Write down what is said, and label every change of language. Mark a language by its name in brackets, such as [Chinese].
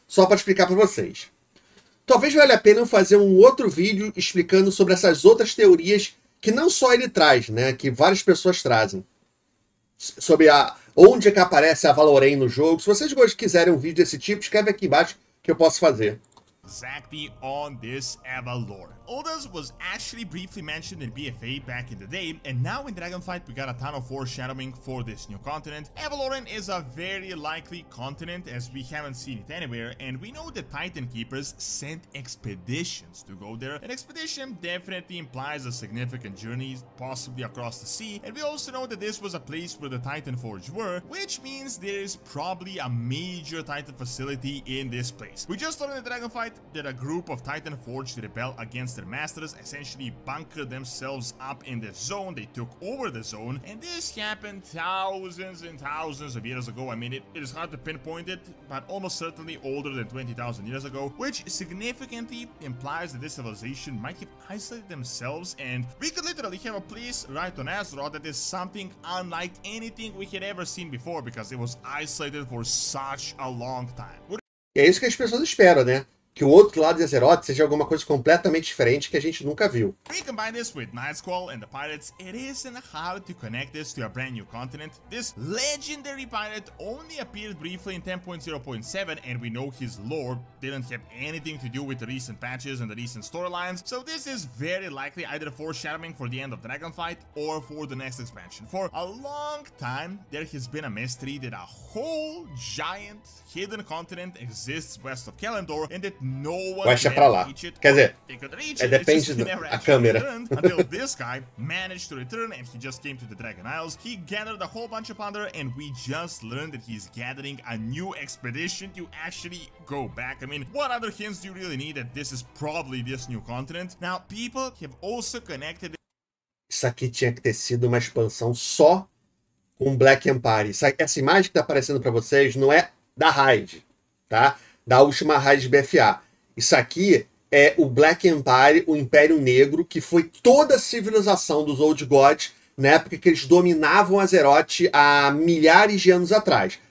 [Portuguese] Só para explicar para vocês. Talvez valha a pena eu fazer um outro vídeo explicando sobre essas outras teorias que não só ele traz, né? Que várias pessoas trazem. Sobre onde é que aparece a Valorem no jogo. Se vocês quiserem um vídeo desse tipo, escreve aqui embaixo que eu posso fazer. [English] Exactly on this Avalore. Uldas was actually briefly mentioned in BFA back in the day, and now in Dragonflight we got a ton of foreshadowing for this new continent. Avaloren is a very likely continent as we haven't seen it anywhere, and we know the Titan Keepers sent expeditions to go there. An expedition definitely implies a significant journey, possibly across the sea, and we also know that this was a place where the Titan Forge were, which means there is probably a major Titan facility in this place. We just learned in Dragonflight that a group of Titan Forged rebel against their masters essentially bunkered themselves up in the zone. They took over the zone, and this happened thousands and thousands of years ago. I mean, it is hard to pinpoint it, but almost certainly older than 20,000 years ago, which significantly implies that this civilization might have isolated themselves, and we could literally have a place right on Azeroth that is something unlike anything we had ever seen before, because it was isolated for such a long time. [Portuguese] É isso que as pessoas esperam, né? Que o outro lado de Azeroth seja alguma coisa completamente diferente que a gente nunca viu. [English] We combine this with Nightsqual and the pirates, it isn't hard to connect this to a brand new continent. This legendary pirate only appeared briefly in 10.0.7, and we know his lore didn't have anything to do with the recent patches and the recent storylines, so this is very likely either foreshadowing for the end of Dragonflight or for the next expansion. For a long time, there has been a mystery that a whole giant hidden continent exists west of Kalimdor, and that no one can reach it. [Portuguese] Depende da câmera. [English] Until this guy managed to return, and he just came to the Dragon Isles. He gathered a whole bunch of plunder, and we just learned that he's gathering a new expedition to actually go back. I mean, what other hints do you really need that this is probably this new continent? Now, people have also connected. [Portuguese] Isso aqui tinha que ter sido uma expansão só com Black Empire. Essa imagem que tá aparecendo para vocês não é da raid, tá? Da última raid BFA. Isso aqui é o Black Empire, o Império Negro, que foi toda a civilização dos Old Gods na época que eles dominavam Azeroth há milhares de anos atrás.